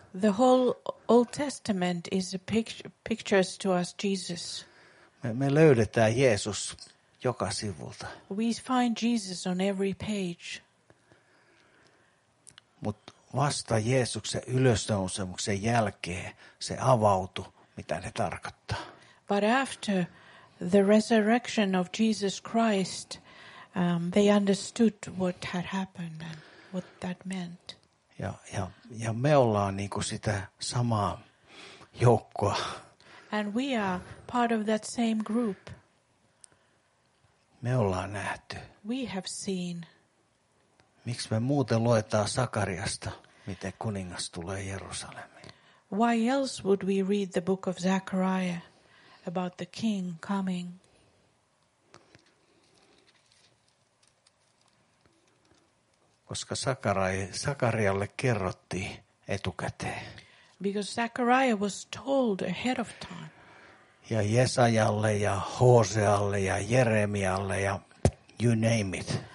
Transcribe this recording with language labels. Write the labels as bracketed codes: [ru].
[en] The whole Old Testament is a pictures to us Jesus. [fi] Me löydetään Jeesus joka sivulta. [en] We find Jesus on every page. [fi] Mut vasta Jeesuksen ylösnousemuksen jälkeen se avautui, mitä ne tarkoittaa. [en] But after the resurrection of Jesus Christ, they understood what had happened and what that meant. [fi] Ja me ollaan niinku sitä samaa joukkoa. [en] And we are part of that same group. [fi] Me ollaan nähty. [en] We have seen. [fi] Miksi me muuten luetaan Sakariasta, miten kuningas tulee Jerusalemiin? [en] Why else would we read the book of Zechariah about the king coming? [fi] Koska Sakarialle kerrottiin etukäteen. [en] Because Zechariah was told ahead of time. [fi] Ja Jesajalle ja Hosealle ja Jeremialle ja [en] you name it.